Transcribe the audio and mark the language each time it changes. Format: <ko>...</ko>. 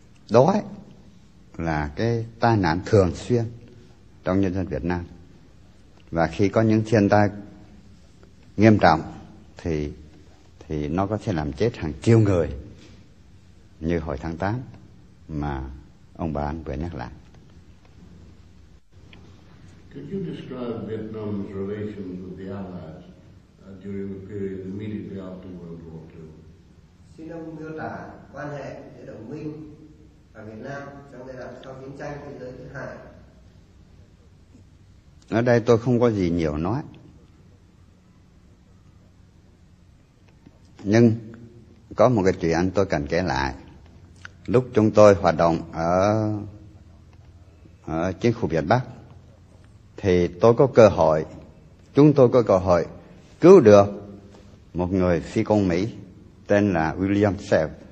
<vi>Đói là cái tai nạn thường xuyên trong nhân dân Việt Nam. Và khi có những thiên tai nghiêm trọng thì nó có thể làm chết hàng triệu người như hồi tháng 8 mà ông bà anh vừa nhắc lại.</vi> <en>Could you describe Vietnam's relations with the Allies during the period immediately after World War II?</en> <vi>Xin ông miêu tả quan hệ giữa đồng minh và Việt Nam trong giai đoạn sau chiến tranh thế giới thứ hai. Ở đây tôi không có gì nhiều nói. Nhưng có một cái chuyện tôi cần kể lại. Lúc chúng tôi hoạt động ở chiến khu Việt Bắc thì chúng tôi có cơ hội cứu được một người phi công Mỹ tên là William Self.</vi>